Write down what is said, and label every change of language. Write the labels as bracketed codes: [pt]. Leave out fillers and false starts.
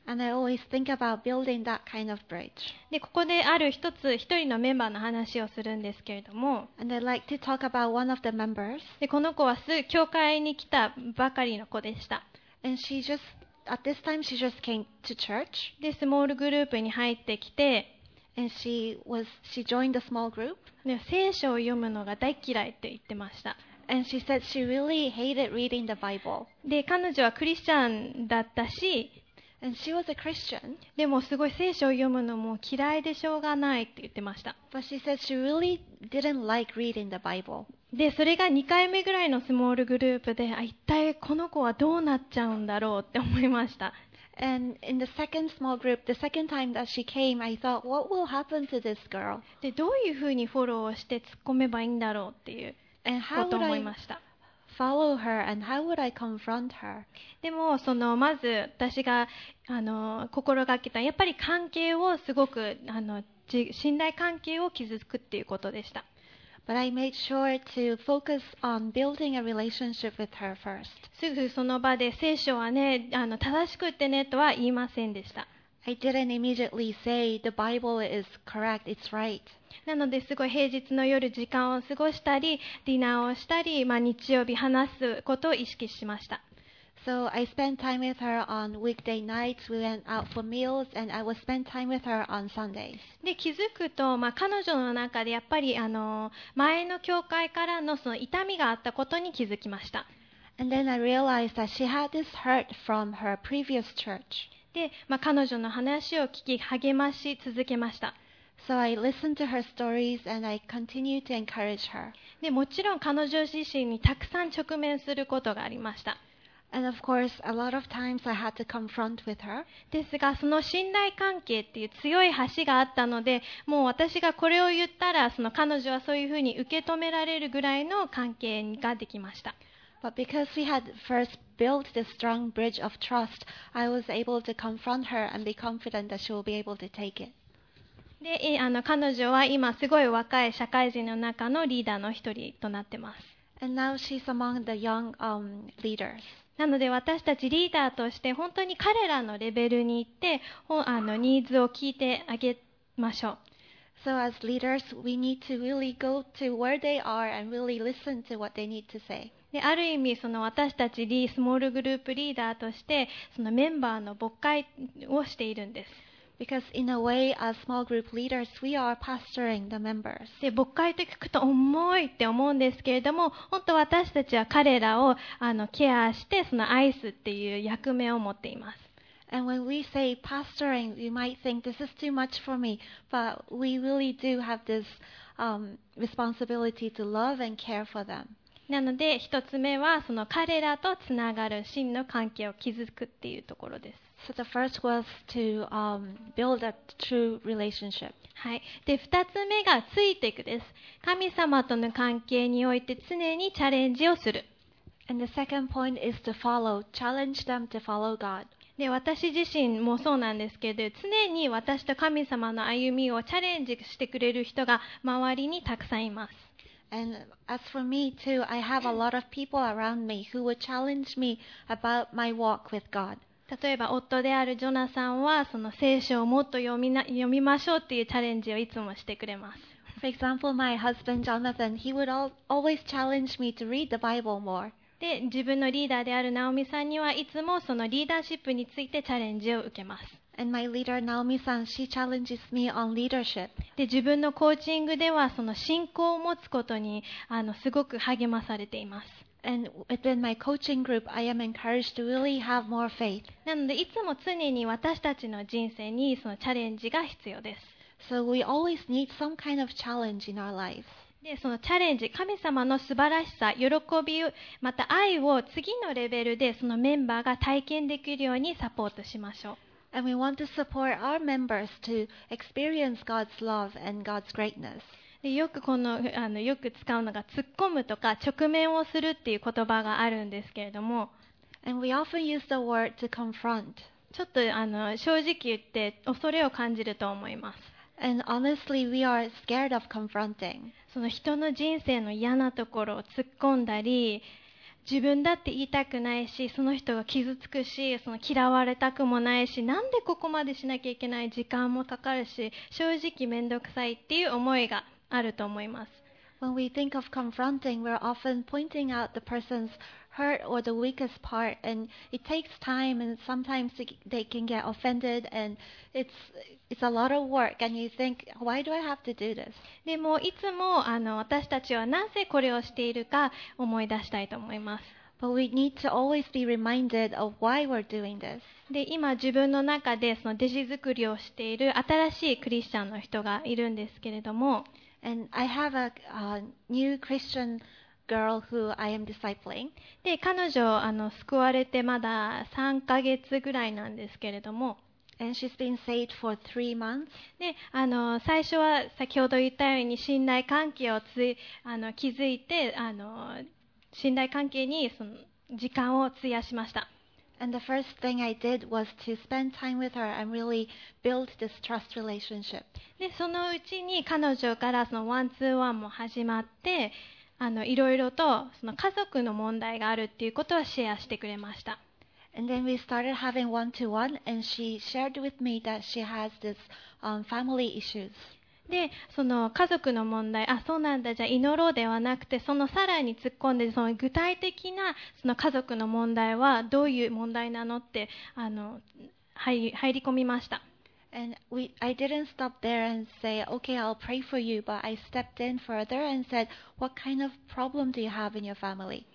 [en] And I always think about building that kind of bridge. [ja] で、ここである一人のメンバーの話をするんですけれども。 [en] And I'd like to talk about one of the members. [ja] で、この子は教会に来たばかりの子でした。 [en] And she just at this time she just came to church. [ja] で、スモールグループに入ってきて。 [en] And she joined a small group. [ja] 聖書を読むのが大嫌いって言ってました。 [en] And she said she really hated reading the Bible. [ja] で、彼女はクリスチャンだったし、 [en] And she was a Christian. [ja] でもすごい聖書を読むのも嫌いでしょうがないって言ってました。 [en] But she said she really didn't like reading the Bible. [ja] で、それが2回目ぐらいのスモールグループで、あ、一体この子はどうなっちゃうんだろうって思いました。 [en] And in the second small group, the second time that she came, I thought, what will happen to this girl? [ja] で、どういうふうにフォローをして突っ込めばいいんだろうっていうことを思いました。 [en] And how would I follow her and how would I confront her? [ja] でも、その、まず私が、心がけた、やっぱり関係をすごく、信頼関係を築くっていうことでした。 [en] But I made sure to focus on building a relationship with her first. [ja] すぐその場で聖書はね、正しくってねとは言いませんでした。 [en] I didn't immediately say the Bible is correct, it's right. [ja] なのですごい平日の夜時間を過ごしたり、ディナーをしたり、まあ日曜日話すことを意識しました。 [en] So I spent time with her on weekday nights. We went out for meals, and I would spend time with her on Sundays. [ja] で、気づくと、まあ、彼女の中でやっぱり前の教会からのその痛みがあったことに気づきました。 [en] And then I realized that she had this hurt from her previous church. [ja] で、まあ、彼女の話を聞き励まし続けました。 [en] So I listened to her stories and I continued to encourage her. [ja] で、もちろん彼女自身にたくさん直面することがありました。 [en] And of course, a lot of times I had to confront with her. [ja] ですが、その信頼関係っていう強い橋があったので、もう私がこれを言ったら、その彼女はそういうふうに受け止められるぐらいの関係ができました。 [en] But because we had first built this strong bridge of trust, I was able to confront her and be confident that she will be able to take it. [ja] で、あの、彼女は今すごい若い社会人の中のリーダーの一人となってます。 [en] And now she's among the young, leaders. [ja] なので私たちリーダーとして本当に彼らのレベルに行って、あの、ニーズを聞いてあげましょう。 [en] So as leaders, we need to really go to where they are and really listen to what they need to say. [ja] で、ある意味その私たちリースモールグループリーダーとしてそのメンバーの牧会をしているんです。 [en] Because in a way, as small group leaders, we are pastoring the members. [ja] で、牧会と聞くと重いって思うんですけれども、本当私たちは彼らをあのケアしてその愛すっていう役目を持っています。 [en] And when we say pastoring, you might think this is too much for me, but we really do have this, responsibility to love and care for them. [ja] なので一つ目はその彼らとつながる真の関係を築くっていうところです。 [en] So the first was to, build a true relationship. [ja] はい。で、二つ目がついていくです。神様との関係において常にチャレンジをする。 [en] And the second point is to follow, challenge them to follow God. [ja] で、私自身もそうなんですけど、常に私と神様の歩みをチャレンジしてくれる人が周りにたくさんいます。 [en] And as for me too, I have a lot of people around me who would challenge me about my walk with God. [ja] 例えば夫であるジョナサンはその聖書をもっと読みましょうっていうチャレンジをいつもしてくれます。 [en] For example, my husband Jonathan, he would always challenge me to read the Bible more. [ja] で、自分のリーダーであるナオミさんにはいつもそのリーダーシップについてチャレンジを受けます。 [en] And my leader, Naomi-san, she challenges me on leadership. [ja] で、自分のコーチングではその信仰を持つことにあのすごく励まされています。 [en] And within my coaching group, I am encouraged to really have more faith. [ja] なので、いつも常に私たちの人生にそのチャレンジが必要です。 [en] So we always need some kind of challenge in our lives. [ja] で、そのチャレンジ、神様の素晴らしさ、喜び、また愛を次のレベルでそのメンバーが体験できるようにサポートしましょう。 [en] And we want to support our members to experience God's love and God's greatness. [ja] で、よくこの、あの、よく使うのが突っ込むとか直面をするっていう言葉があるんですけれども。 [en] And we often use the word to confront. [ja] ちょっと、あの、正直言って恐れを感じると思います。 [en] And honestly, we are scared of confronting. [ja] その人の人生の嫌なところを突っ込んだり、自分だって言いたくないし、その人が傷つくし、その嫌われたくもないし、なんでここまでしなきゃいけない、時間もかかるし、正直めんどくさいっていう思いがあると思います。 [en] When we think of confronting, we're often pointing out the person's hurt or the weakest part, and it takes time, and sometimes they can get offended, and it's a lot of work, and you think, why do I have to do this? [ja] でも、いつも、あの、私たちはなぜこれをしているか思い出したいと思います。 [en] But we need to always be reminded of why we're doing this. [ja] で、今自分の中でその弟子作りをしている新しいクリスチャンの人がいるんですけれども、 [en] And I have a new Christian girl who I am discipling. [ja] で、彼女、あの、救われてまだ3ヶ月ぐらいなんですけれども。 [en] And she's been saved for 3 months. [ja] で、あの、最初は先ほど言ったように信頼関係をあの、築いて、あの、信頼関係にその時間を費やしました。 [en] And the first thing I did was to spend time with her and really build this trust relationship. [ja] で、そのうちに彼女からそのワンツーワンも始まって、あの、いろいろとその家族の問題があるっていうことをシェアしてくれました。 [en] And then we started having one to one and she shared with me that she has this, family issues. [ja] で、その家族の問題、あ、そうなんだ、じゃあ祈ろうではなくて、そのさらに突っ込んで、その具体的なその家族の問題はどういう問題なのって、あの、入り込みました。 [en] And I didn't stop there and say, okay, I'll pray for you. But I stepped in further and said, what kind of problem do you have in your family?